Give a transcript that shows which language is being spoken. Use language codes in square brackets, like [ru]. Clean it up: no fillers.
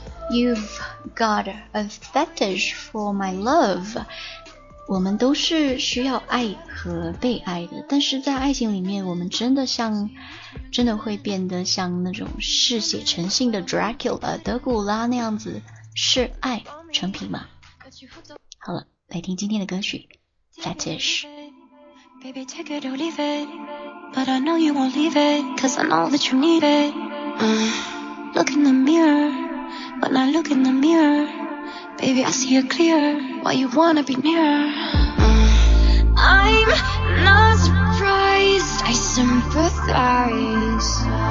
[en] You've got a fetish for my love. [zh] 我们都是需要爱和被爱的，但是在爱情里面，我们真的像，真的会变得像那种嗜血成性的 Dracula 德古拉那样子，嗜爱成品吗？好了，来听今天的歌曲 Fetish。 [en] Baby, take it or leave it. But I know you won't leave it, cause I know that you need it. Look in the mirror. When I look in the mirror, baby, I see it clear. Why you wanna be near? I'm not surprised, I sympathize.